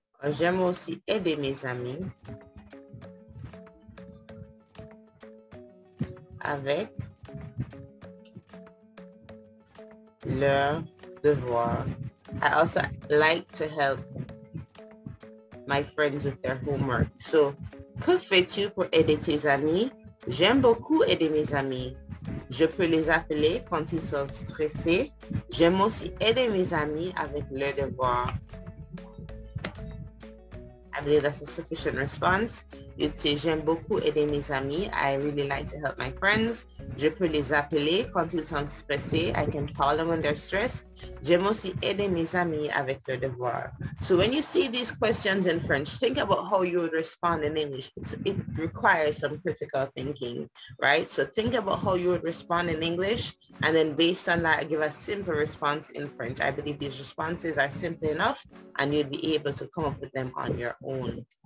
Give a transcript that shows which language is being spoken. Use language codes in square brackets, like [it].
[fr] J'aime aussi aider mes amis avec leur devoir. [en] I also like to help my friends with their homework. [fr] So, que fais-tu pour aider tes amis? J'aime beaucoup aider mes amis. Je peux les appeler quand ils sont stressés. J'aime aussi aider mes amis avec leur devoir. [en] I believe that's a sufficient response. [fr] Utile. J'aime beaucoup aider mes amis. [en] I really like to help my friends. [fr] Je peux les appeler quand ils sont stressés. [en] I can call them when they're stressed. [fr] J'aime aussi aider mes amis avec leurs devoirs. [en] So when you see these questions in French, think about how you would respond in English. It requires some critical thinking, right? So think about how you would respond in English, and then based on that, give a simple response in French. I believe these responses are simple enough, and you'd be able to come up with them on your own.